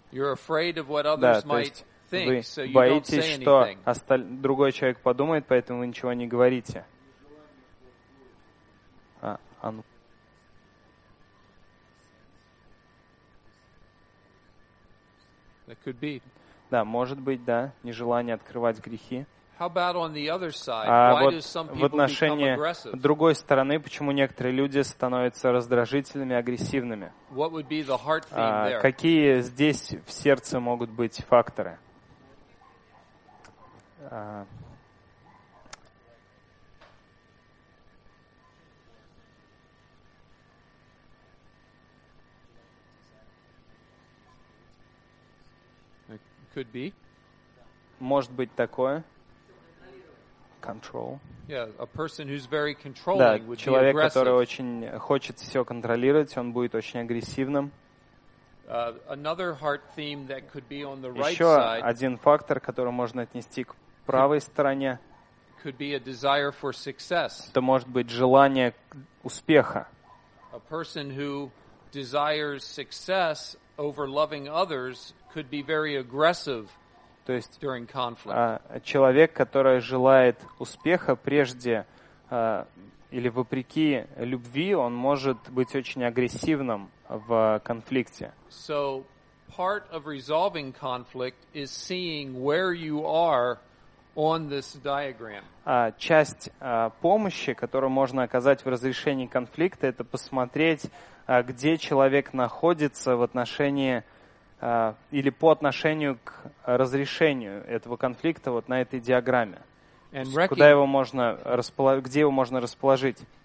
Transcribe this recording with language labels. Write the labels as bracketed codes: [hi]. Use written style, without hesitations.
[en] You're afraid of what others might think, so you don't say anything. [ru] Вы боитесь, что другой человек подумает, поэтому вы ничего не говорите. [en] It could be. [ru] Да, может быть, да, нежелание открывать грехи. [en] How about on the other side? [ru] А вот в отношении другой стороны, почему некоторые люди становятся раздражительными, агрессивными? [en] What would be the heart theme there? [ru] Какие здесь в сердце могут быть факторы? [en] Could be. [ru] Может быть такое. [en] Control. Yeah, a person who's very controlling would be aggressive. [ru] Человек, который очень хочет все контролировать, он будет очень агрессивным. [en] Another heart theme that could be on the right side. [ru] Еще один фактор, который можно отнести к правой стороне. [en] Could be a desire for success. [ru] Это может быть желание успеха. [en] A person who desires success over loving others could be very aggressive during conflict. [ru] То есть человек, который желает успеха прежде или вопреки любви, он может быть очень агрессивным в конфликте. [en] So part of resolving conflict is seeing where you are on this diagram. [ru] Часть помощи, которую можно оказать в разрешении конфликта, это посмотреть, где человек находится в отношении или по отношению к разрешению этого конфликта вот на этой диаграмме. Куда его можно где его можно расположить.